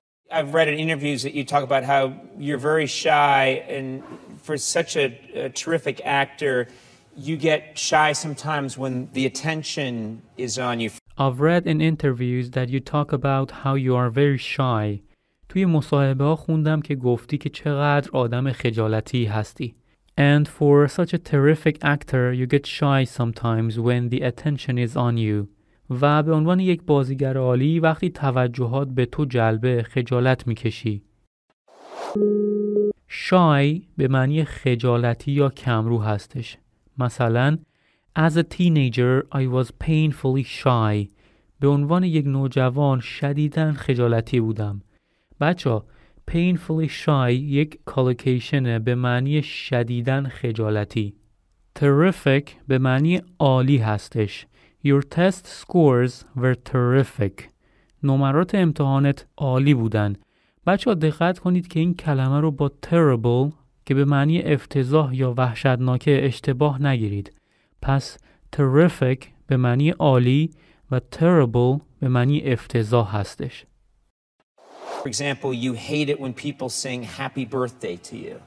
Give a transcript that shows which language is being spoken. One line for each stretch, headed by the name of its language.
English: I've read in interviews that you talk about how you're very shy, and for such a terrific actor, you get shy sometimes when the attention is on you. I've read in interviews that you talk about how you are very shy.
Persian: توی مصاحبه ها خوندم که گفتی که چقدر آدم خجالتی هستی.
English: And for such a terrific actor, you get shy sometimes when the attention is on you.
Persian: و به عنوان یک بازیگر عالی وقتی توجهات به تو جلبه خجالت میکشی. Shy به معنی خجالتی یا کمرو هستش. مثلا
English: As a teenager, I was painfully shy.
Persian: به عنوان یک نوجوان شدیداً خجالتی بودم. بچه
English: painfully shy
Persian: یک collocationه به معنی شدیداً خجالتی. Terrific به معنی عالی هستش.
English: Your test scores were terrific.
Persian: نمرات امتحانت عالی بودن. بچه دقت کنید که این کلمه رو با terrible که به معنی افتضاح یا وحشتناک اشتباه نگیرید. پس terrific به معنی عالی و terrible به معنی افتضاح هستش.
English: For example, you hate it when people sing happy birthday to you.